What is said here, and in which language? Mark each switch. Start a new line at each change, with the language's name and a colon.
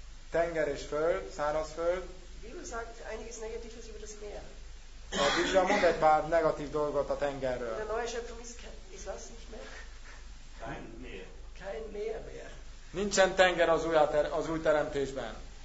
Hungarian: Tenger és föld, szárazföld.
German: Bibel sagt einiges negatives über das Meer.
Hungarian: A Biblia mond egy pár negatív dolgot a tengerről.
German: Der neue Schöpfung ist was nicht mehr. Kein Meer mehr.
Hungarian: Nincsen tenger az új teremtésben.